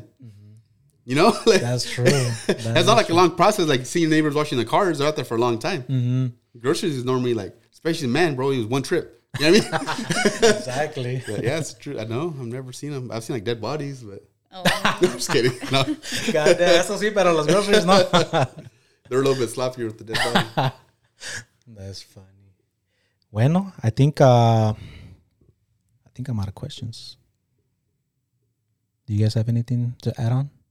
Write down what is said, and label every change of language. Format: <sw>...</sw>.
<en>Mm-hmm. You know? Like, that's true. That's not like true. A long process. Like seeing neighbors washing the cars, they're out there for a long time. Mm-hmm. Groceries is normally like, especially the man, bro, it was one trip. You know what I mean? Exactly. But yeah, it's true. I know. I've never seen them. I've seen like dead bodies, but. Oh. I'm just kidding. No.</en> <es>God damn. Eso sí, pero las groceries, no.</es> <en>They're a little bit sloppier with the dead body. That's funny. Bueno, I think I'm out of questions. Do you guys have anything to add on?</en>